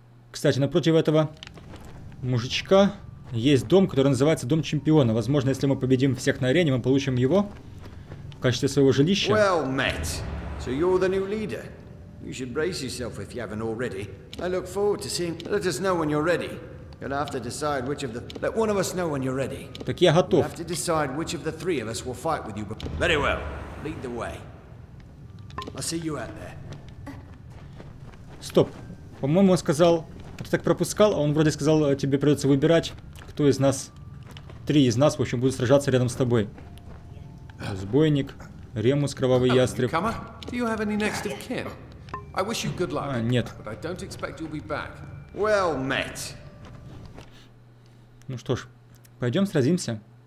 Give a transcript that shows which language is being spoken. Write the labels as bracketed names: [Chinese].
[Russian] Кстати, напротив этого мужичка есть дом, который называется Дом Чемпиона. Возможно, если мы победим всех на арене, мы получим его в качестве своего жилища. [English] Well met. So you're the new leader. You should brace yourself if you haven't already. I look forward to seeing. Let us know when you're ready. You'll have to decide which of the. Let one of us know when you're ready. [Russian] Так я готов. [English] You'll have to decide which of the three of us will fight with you. Very well. Lead the way. I'll see you out there. [Russian] Стоп. По-моему, он сказал, ты так пропускал, а он вроде сказал, тебе придется выбирать, кто из нас, три из нас, в общем, будет сражаться рядом с тобой. Разбойник, Ремус, Кровавый Ястреб. [English] Newcomer, do you have any next of kin? I wish you good luck. [Russian] А, нет. [English] But I don't expect you'll be back. Well met. [Russian] Ну что ж, пойдем сразимся.